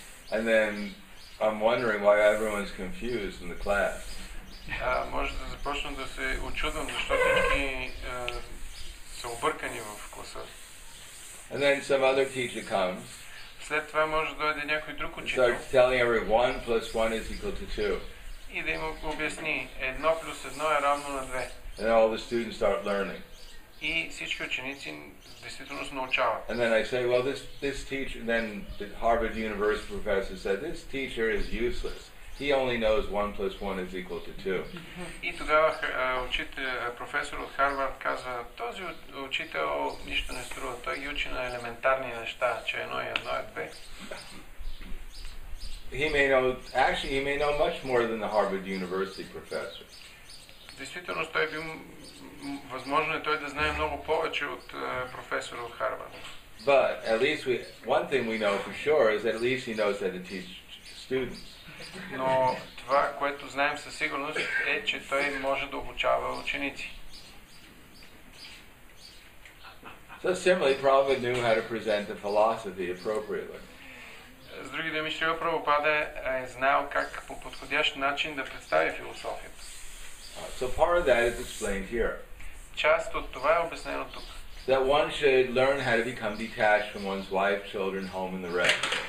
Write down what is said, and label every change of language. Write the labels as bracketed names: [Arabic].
[English] And then I'm wondering why everyone's confused in the class. [Bulgarian] Може да започна да се учудвам защо всички са объркани в класа. [English] And then some other teacher comes. [Bulgarian] След това може да дойде някой друг учител. [English] Starts telling everyone 1 plus 1 is equal to 2. [Bulgarian] И да им обясни 1 плюс 1 е равно на 2. [English] And then all the students start learning. [Bulgarian] И всички ученици действително се научават. [English] And then I say, well, this teacher, and then the Harvard University professor said, this teacher is useless. He only knows 1 plus 1 is equal to 2. [Bulgarian] И тогава професор от Харвард казва, този учител нищо не струва. Той ги учи на елементарни неща, че едно и едно е две. [English] He may know much more than the Harvard University professor. [Bulgarian] Действително, той би възможно е той да знае много повече от професора от Харвард. [English] But at least one thing we know for sure is that at least he knows how to teach students. [Bulgarian] Но това, което знаем със сигурност, е, че той може да обучава ученици. [English] So similarly, Prabhupada knew how to present the philosophy appropriately. [Bulgarian] С други думи, Шрила Прабхупада е знал как по подходящ начин да представи философията. [English] So part of that is explained here. [Bulgarian] Част от това е обяснено тук. [English] That one should learn how to become detached from one's wife, children, home and the rest.